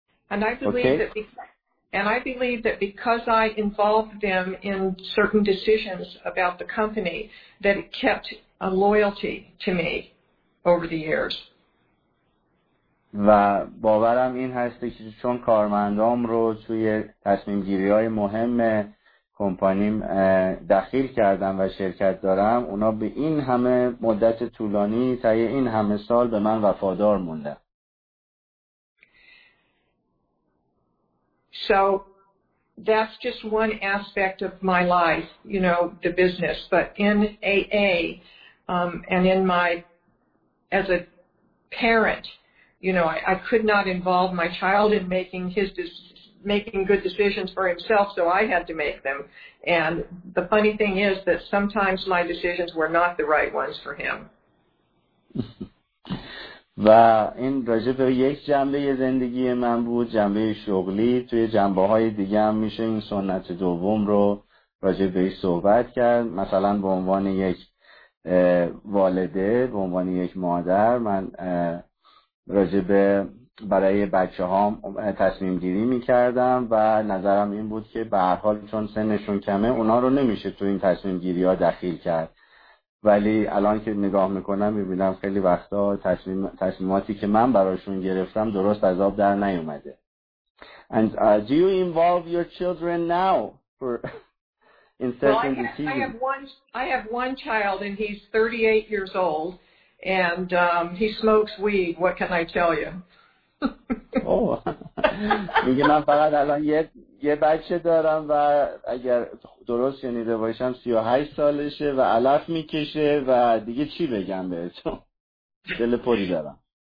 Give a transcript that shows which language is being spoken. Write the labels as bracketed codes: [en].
[en] And I believe that because I involved them in certain decisions about the company that it kept a loyalty to me over the years. [fa] و باورم این هست که چون کارمندام رو توی تصمیم گیری های مهم کمپانیم دخیل کردم و شرکت دارم، اونا به این همه مدت طولانی تا این همه سال به من وفادار مونده. [en] So that's just one aspect of my life, you know, the business, but in AA and in my as a parent, you know, I could not involve my child in making good decisions for himself, so I had to make them. And the funny thing is that sometimes my decisions were not the right ones for him. [fa] و این راجع به یک جنبه زندگی من بود، جنبه شغلی. توی جنبه های دیگه هم میشه این سنت دوم رو راجع بهش صحبت کرد. مثلا به عنوان یک والده، به عنوان یک مادر، من راجع به برای بچه هام تصمیم گیری می کردم و نظرم این بود که به هر حال چون سنشون کمه اونا رو نمیشه تو این تصمیم گیری ها دخیل کرد. ولی الان که نگاه میکنم میبینم خیلی وقتا تصمیماتی که من براشون گرفتم درست از آب در نیومده. [en] And do you involve your children now for in certain decisions? Well, I have one child and he's 38 years old and he smokes weed. What can I tell you? Oh. [fa] میگه من فقط الان یه بچه دارم و اگر درست شنیده باشم 38 سالشه و علف میکشه و دیگه چی بگم بهتون، دل پوری دارم.